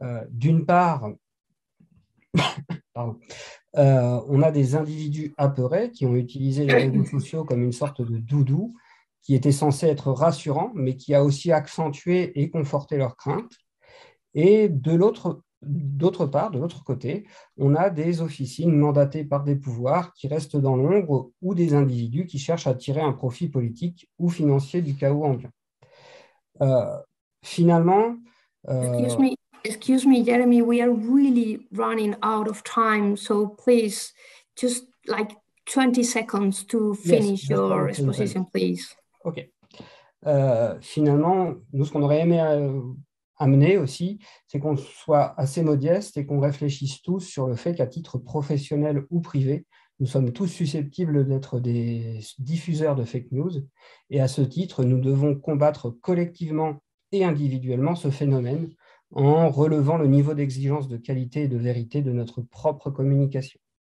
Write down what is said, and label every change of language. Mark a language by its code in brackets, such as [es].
[fr] D'une part, on a des individus apeurés qui ont utilisé les réseaux sociaux comme une sorte de doudou qui était censé être rassurant, mais qui a aussi accentué et conforté leurs craintes. Et de l'autre côté, on a des officines mandatées par des pouvoirs qui restent dans l'ombre ou des individus qui cherchent à tirer un profit politique ou financier du chaos ambiant. Finalement... [en] Excuse me, Jeremy, we are really running out of time, so please, just like 20 seconds to finish your exposition, please. [fr] OK. Finalement, nous, ce qu'on aurait aimé... amener aussi, c'est qu'on soit assez modeste et qu'on réfléchisse tous sur le fait qu'à titre professionnel ou privé, Nous sommes tous susceptibles d'être des diffuseurs de fake news et à ce titre, nous devons combattre collectivement et individuellement ce phénomène en relevant le niveau d'exigence de qualité et de vérité de notre propre communication.